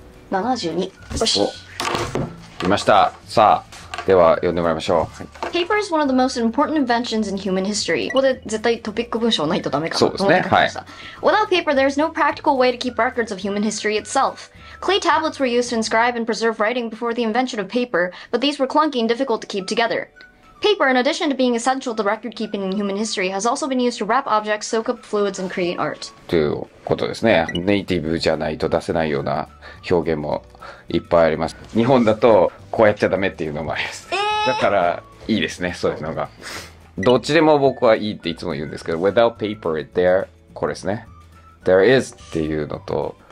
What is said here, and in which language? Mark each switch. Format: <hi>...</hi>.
<ja>72、よし、いました。さあ、では読んでもらいましょう。</ja> <en>Paper is one of the most important inventions in human history.</en> <ja>ここで絶対トピック文章ないとダメかな。そうですね、はい。</ja> <en>Without paper, there is no practical way to keep records of human history itself. Clay tablets were used to inscribe and preserve writing before the invention of paper, but these were clunky and difficult to keep together. Paper, in addition to being essential to record keeping in human history, has also been used to wrap objects, soak up fluids, and create art.</en> <ja>ということですね。ネイティブじゃないと出せないような表現もいっぱいあります。日本だとこうやっちゃダメっていうのもあります。だからいいですね、そういうのが。どっちでも僕はいいっていつも言うんですけど、</ja> <en>Without paper, there,</en> <ja>これですね。</ja> <en>There is</en> <ja>っていうのと、</ja>